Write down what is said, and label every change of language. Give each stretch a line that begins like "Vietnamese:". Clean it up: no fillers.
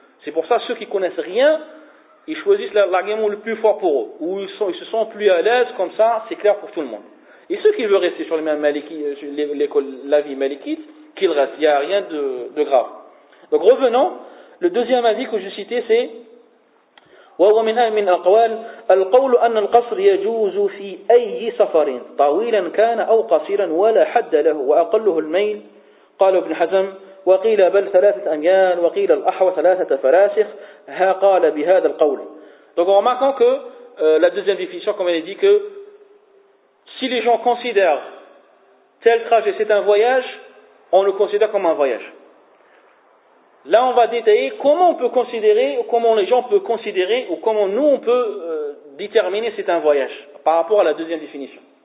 French: C'est pour ça que ceux qui ne connaissent rien, ils choisissent l'argument le plus fort pour eux, ou ils se sentent plus à l'aise, comme ça, c'est clair pour tout le monde. Et ceux qui veulent rester sur l'avis malikite, qu'ils restent, il n'y a rien de grave. Donc revenons, le deuxième avis que je citais c'est
Arabic: وهو من أهم الأقوال القول أن القصر يجوز في أي سفر طويلا كان أو قصيرا ولا حد له وأقله الميل قال ابن حزم وقيل بل ثلاثة أميال وقيل الأحوى ثلاثة فراسخ ها قال بهذا القول.
French: Donc on remarque que la deuxième définition, comme elle dit, que si les gens considèrent tel trajet c'est un voyage, on le considère comme un voyage. Là, on va détailler comment on peut considérer, ou comment les gens peuvent considérer, ou comment nous, on peut déterminer si c'est un voyage, par rapport à la deuxième définition.